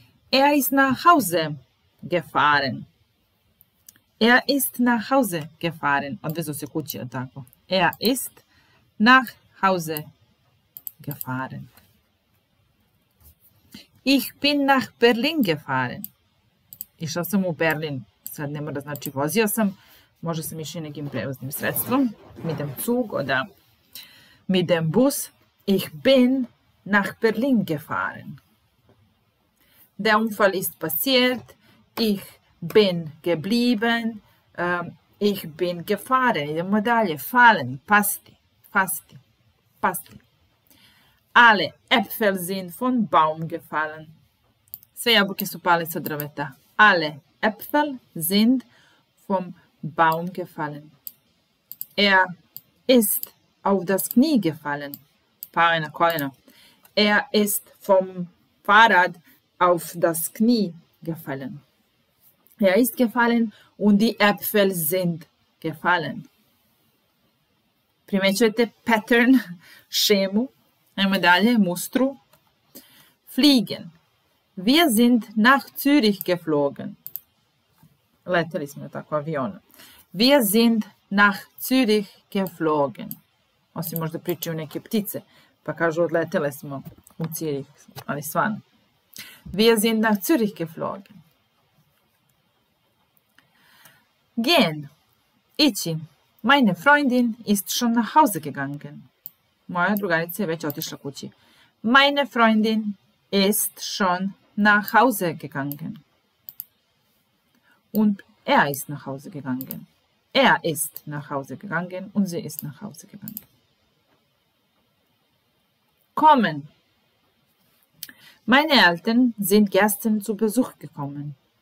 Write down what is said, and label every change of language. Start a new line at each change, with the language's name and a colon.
German: Er ist nach Hause gefahren. Er ist nach Hause gefahren.
Serbian: Odvezo se kući, je tako.
German: Er ist nach Hause gefahren. Ich bin nach Berlin gefahren.
Serbian: Išao sam u Berlin. Sad ne mora znači vozio sam. Možda sam išao nekim prevoznim sredstvom.
German: Mit dem Zug oder mit dem Bus. Ich bin nach Berlin gefahren. Der Unfall ist passiert. Ich bin geblieben. Ich bin gefahren.
Serbian: Idemo dalje.
German: Fallen.
Serbian: Pasti. Pasti. Pasti.
German: Alle Äpfel sind von Baum gefallen.
Serbian: Sve jabuke su pale sa drveta.
German: Alle Äpfel sind vom Baum gefallen. Er ist auf das Knie gefallen.
Serbian: Pao je na koljeno.
German: Er ist vom Fahrrad auf das Knie gefallen. Er ist gefallen und die Äpfel sind gefallen.
Serbian: Primećujete pattern, šemu. Ajmo dalje, mustru. Fliegen.
German: Wir sind nach Zürich geflogen.
Serbian: Leteli smo tako avionu.
German: Wir sind nach Zürich geflogen.
Serbian: Osim možda pričaju neke ptice, pa kažu odletele smo u Zürich, ali svan.
German: Wir sind nach Zürich geflogen. Gehen. Ići. Meine Freundin ist schon nach Hause gegangen.
Serbian: Moja drugarica je već otišla kući.
German: Meine Freundin ist schon nach Hause gegangen. Und er ist nach Hause gegangen. Er ist nach Hause gegangen und sie ist nach Hause gegangen. Kommen. Meine Eltern sind gestern zu Besuch gekommen.